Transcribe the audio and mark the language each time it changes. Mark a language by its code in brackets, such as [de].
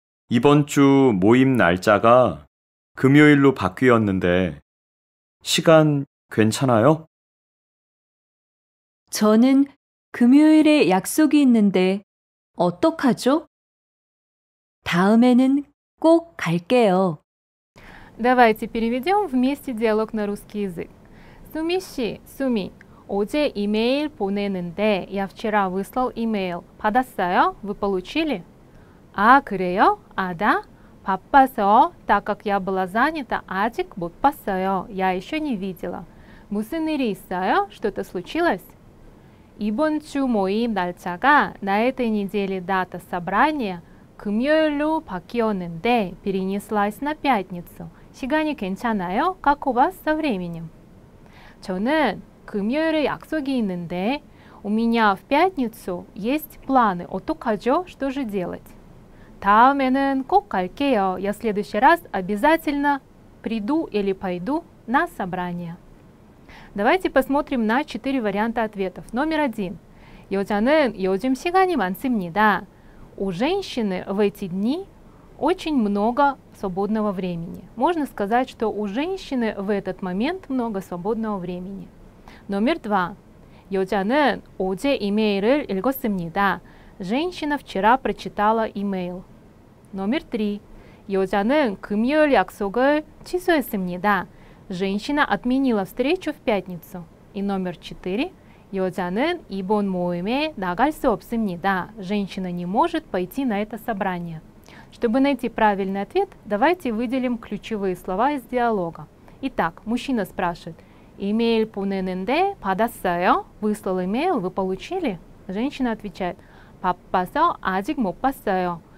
[ko] 이번 주 모임 날짜가 금요일로 바뀌었는데 시간 괜찮아요? 저는 금요일에 약속이 있는데 어떡하죠? 다음에는 꼭 갈게요. [ru] Давайте переведем вместе диалог на русский язык. Суми 씨, Суми, [ko] 어제 이메일 보내는데 [ru] я вчера выслал email. [ko] 받았어요? [ru] Вы получили? [ko] 아, 그래요? 아, 다? 바빠서, [ru] так как я была занята, [ko] 아직 못 봤어요. [ru] Я еще не видела. [ko] 무슨 일이 있어요? [ru] Что-то случилось? [ko] 이번 주 모임 날짜가 [ru] на этой неделе дата собрания [ko] 금요일로 바뀌었는데 [ru] перенеслась на пятницу. [ko] 시간이 괜찮아요? [ru] Как у вас со временем? [ko] 저는 금요일에 약속이 있는데 [ru] у меня в пятницу есть планы. [ko] 어떡하죠? [ru] Что же делать? [ko] 다음에는 꼭 갈게요. [ru] Я в следующий раз обязательно приду или пойду на собрание. Давайте посмотрим на 4 варианта ответов. Номер 1. [ko] 여자는 요즘 시간이 많습니다. [ru] У женщины в эти дни очень много свободного времени. Можно сказать, что у женщины в этот момент много свободного времени. Номер 2. [ko] 여자는 어제 이메일을 읽었습니다. [ru] Женщина вчера прочитала email. Номер 3. [ko] 여자는 금요일 약속을 취소했습니다. [ru] Женщина отменила встречу в пятницу. И номер 4. [ko] 여자는 이번 모임에 나갈 수 없습니다. [ru] Женщина не может пойти на это собрание. Чтобы найти правильный ответ, давайте выделим ключевые слова из диалога. Итак, мужчина спрашивает. Email поненде, [ko] 받았어요? [ru] Выслал email, вы получили? Женщина отвечает. [ko] 바빠서, 아직 못 봤어요.